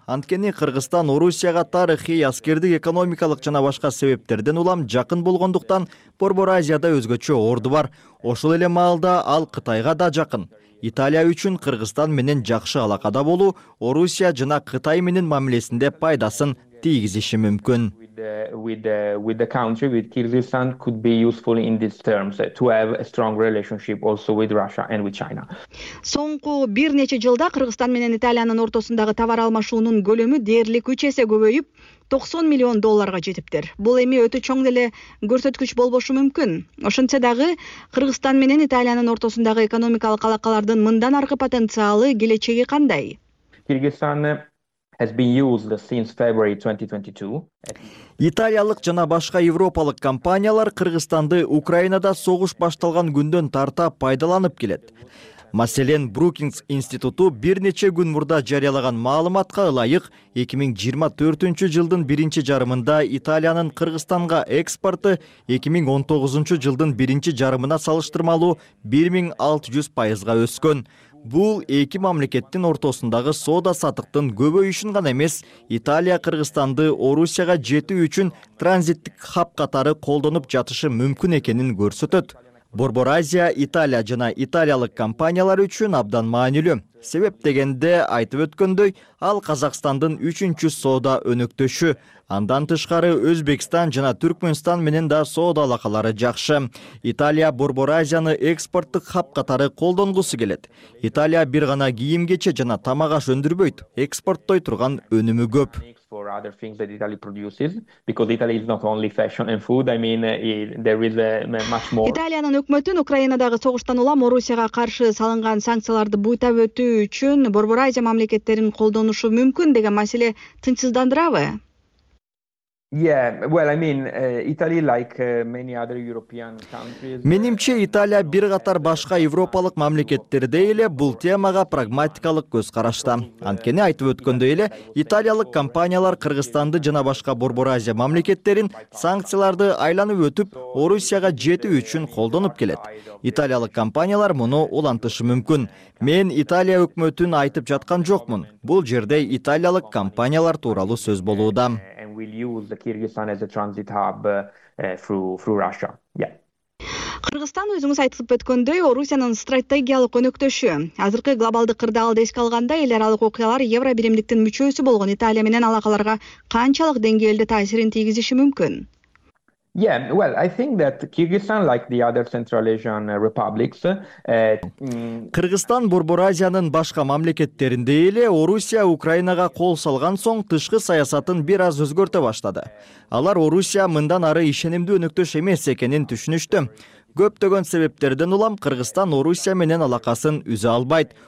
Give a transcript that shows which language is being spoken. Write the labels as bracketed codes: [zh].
[ky] Анткени Кыргызстан Орусияга тарыхый, аскердик, экономикалык жана башка себептерден улам жакын болгондуктан Борбор Азияда өзгөчө орду бар. Ошол эле маалда ал Кытайга да жакын. Италия үчүн Кыргызстан менен жакшы алакада болуу Орусия жана Кытай менен мамилесинде пайдасын тийгизиши мүмкүн. [en] With Kyrgyzstan could be useful in these terms to have a strong relationship also with Russia and with China. [ky] Соңку бир нече жылда Кыргызстан менен Италиянын ортосундагы товар алмашуунун көлөмү дээрлик 3 эсе көбөйүп $90 миллион жетиптир. Бул эми өтө чоң деле көрсөткүч болбошу мүмкүн. Ошентсе дагы Кыргызстан менен Италиянын ортосундагы экономикалык алакалардын мындан аркы потенциалы, келечеги кандай? [en] Кыргызстан has been used since February 2022. [ky] Италиялык жана башка европалык компаниялар Кыргызстанды Украинада согуш башталган күндөн тарта пайдаланып келет. Маселен, Brookings институту бир нече күн мурда жарыялаган маалыматка ылайык, 2024 жылдын биринчи жарымында Италиянын Кыргызстанга экспорту 2019 жылдын биринчи жарымына салыштырмалуу 1600% өскөн. Бул эки мамлекеттин ортосундагы соода сатыктын көбөйүшүн гана эмес, Италия Кыргызстанды Орусияга жетүү үчүн транзиттик хаб катары колдонуп жатышы мүмкүн экенин көрсөтөт. Борбор Азия Италия жана италиялык компаниялар үчүн абдан маанилүү. Себеп дегенде айтып өткөндөй, ал Казакстандын 3-чү соода өнөктөшү. Андан тышкары Өзбекстан жана Түркмөнстан менен да соода алакалары жакшы. Италия Борбор Азияны экспорттук хаб катары колдонгусу келет. Италия бир гана кийим кече жана тамак аш өндүрбөйт. Экспорттой турган өнүмү көп. [en] For other things that Italy produces, because Italy is not only fashion and food. There is much more. [ky] Италиянын өкмөтүн Украинадагы согуштан улам Орусияга каршы салынган санкцияларды буйтап өтүү үчүн Борбор Азия мамлекеттерин колдонушу мүмкүн деген маселе тынчсыздандырабы? [en] Italy like many other European countries. [ky] Менимче, Италия бир катар башка европалык мамлекеттерде эле бул темага прагматикалык көз карашта. Анткени айтып өткөндөй эле италиялык компаниялар Кыргызстанды жана башка Борбор Азия мамлекеттерин санкцияларды айланып өтүп, Орусияга жетүү үчүн колдонуп келет. Италиялык компаниялар муну улантышы мүмкүн. Мен Италия өкмөтүн айтып жаткан жокмун. Бул жерде италиялык компаниялар тууралуу сөз болууда. [en] Kyrgyzstan as a transit hub through Russia. [ky] Кыргызстан өзүңүз айтып өткөндөй Орусиянын стратегиялык өнөктөшү. Азыркы глобалдык кырдаалды эске алганда эл аралык окуялар Евро биримдиктин мүчөсү болгон Италия менен алакаларга канчалык деңгээлде таасирин тийгизиши мүмкүн? [en] I think that Kyrgyzstan like the other Central Asian republics. [ky] Кыргызстан Борбор Азиянын башка мамлекеттеринде эле Орусия Украинага кол салган соң тышкы саясатын бир аз өзгөртө баштады. Алар Орусия мындан ары ишенимдүү өнөктөш эмес экенин түшүнүштү. Көптөгөн себептерден улам Кыргызстан Орусия менен алакасын үзө албайт.